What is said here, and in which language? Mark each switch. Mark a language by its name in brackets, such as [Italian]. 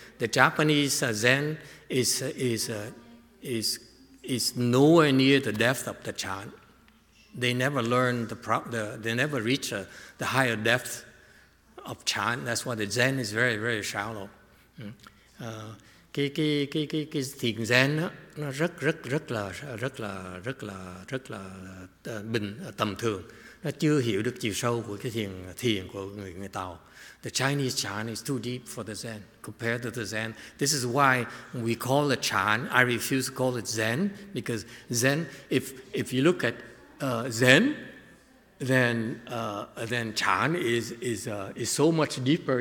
[English] The Japanese Zen is nowhere near the depth of the Chan. They never learn they never reach the higher depth of Chan. That's why the Zen is very, very shallow. [Vietnamese] Cái thiền Zen đó, nó rất rất rất là rất là rất là rất là bình tầm thường. nó chưa hiểu được chiều sâu của cái thiền của người Tàu. [English] The Chinese chan is too deep for the Zen compared to the Zen. This is why we call it chan. I refuse to call it Zen because Zen, if you look at Zen, then chan is so much deeper.